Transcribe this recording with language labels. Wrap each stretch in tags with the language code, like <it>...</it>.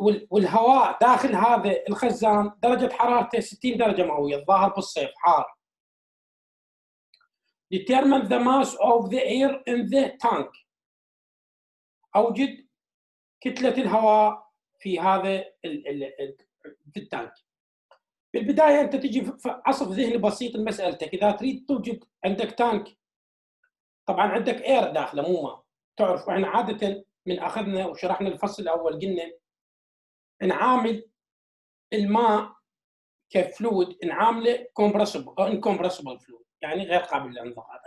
<ar>والهواء داخل هذا الخزان درجة حرارته 60 درجة مئوية، الظاهر بالصيف حار.</ar> <en>Determine the mass of the air in the tank.</en> <ar>أوجد كتلة الهواء في هذا في التانك. بالبداية أنت تجي في عصف ذهني بسيط مسألتك، إذا تريد توجد عندك تانك طبعاً عندك إير داخله مو ما تعرف، وإحنا عادة من أخذنا وشرحنا الفصل الأول قلنا نعامل الماء كفلويد، نعامله كومبرسبل أو إنكومبرسبل فلويد، يعني غير قابل للانضغاط.</ar>